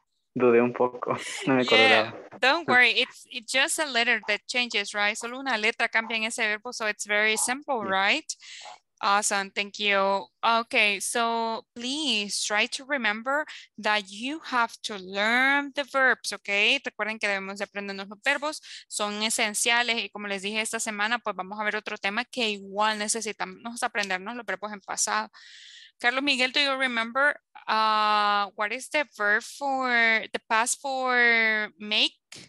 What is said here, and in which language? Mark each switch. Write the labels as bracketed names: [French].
[Spanish] Dudé un poco. No me acordaba. [English] Don't worry, it's just a letter that changes, right? [Spanish] Solo una letra cambia en ese verbo, [English] so it's very simple, yeah. Right? Awesome, thank you. Okay, so please try to remember that you have to learn the verbs, okay? [Spanish] Recuerden que debemos de aprender los verbos, son esenciales y como les dije esta semana, pues vamos a ver otro tema que igual necesitamos aprendernos los verbos en pasado. [English] Carlos Miguel, do you remember what is the verb for the past for make?